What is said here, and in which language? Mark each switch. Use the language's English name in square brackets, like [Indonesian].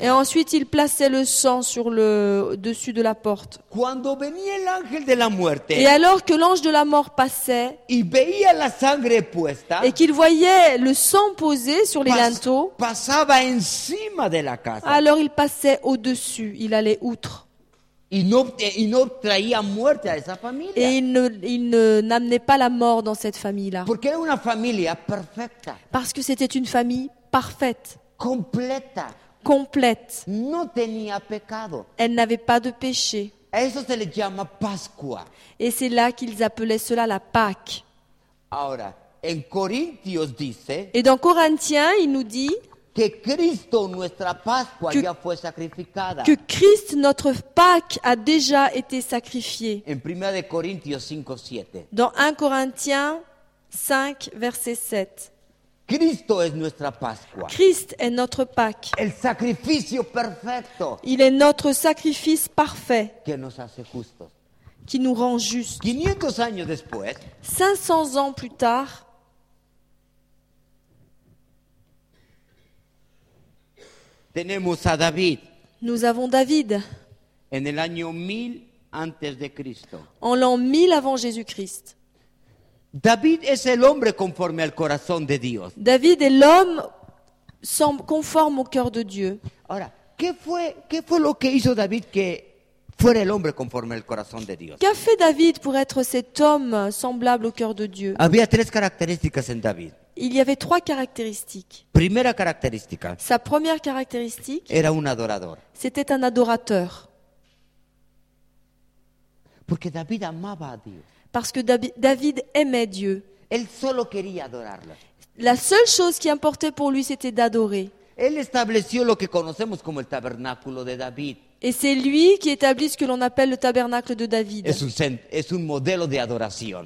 [French] Et ensuite il plaçait le sang sur le dessus de la porte. [Spanish] Cuando venía el ángel de la muerte. [French] Et alors que l'ange de la mort passait. [Spanish] Y veía la sangre puesta. [French] Et qu'il voyait le sang posé sur les linteaux. [Spanish] Pasaba encima de la casa. [French] Alors il passait au-dessus, il allait outre. [Spanish] Y no traía muerte a esa familia. [French] Et il ne n'amenait pas la mort dans cette famille-là. [Spanish] Porque era una familia perfecta. [French] Parce que c'était une famille parfaite. [Spanish] Completa. [French] Complète. [Spanish] No tenía pecado. [French] Elle n'avait pas de péché. [Spanish] Eso se le llama Pascua. [French] Et c'est là qu'ils appelaient cela la Pâque. [Spanish] Ahora, en Corintios dice. [French] Et dans Corinthiens, il nous dit. [Spanish] Que Cristo, nuestra Pascua, que, ya fue sacrificada. [French] Que Christ, notre Pâque, a déjà été sacrifié. [Spanish] En 1 Corintios 5, 7. [French] Dans 1 Corinthiens 5, verset 7. [Spanish] Cristo es nuestra Pascua. [French] Christ est notre Pâque. [Spanish] El sacrificio perfecto. [French] Il est notre sacrifice parfait. [Spanish] Que nos hace justos. [French] Qui nous rend justes. [Spanish] 500 años después. [French] 500 ans plus tard. [Spanish] Tenemos a David. [French] Nous avons David. [Spanish] En el año 1000 antes de Cristo. [French] En l'an 1000 avant Jésus-Christ. [Spanish] David es el hombre conforme al corazón de Dios. [French] David est l'homme conforme au cœur de Dieu. [Spanish] Ahora, ¿qué fue lo que hizo David que fuera el hombre conforme al corazón de Dios? [French] Qu'a fait David pour être cet homme semblable au cœur de Dieu? [Spanish] Había tres características en David. [French] Il y avait trois caractéristiques. [Spanish] Primera característica. [French] Sa première caractéristique. [Spanish] Era un adorador. [French] C'était un adorateur. [Spanish] Porque David amaba a Dios. [French] Parce que David aimait Dieu. [Spanish] Él solo quería adorarlo. [French] La seule chose qui importait pour lui, c'était d'adorer. [Spanish] Él estableció lo que conocemos como el tabernáculo de David. [French] Et c'est lui qui établit ce que l'on appelle le tabernacle de David. [Spanish] Es un modelo de adoración.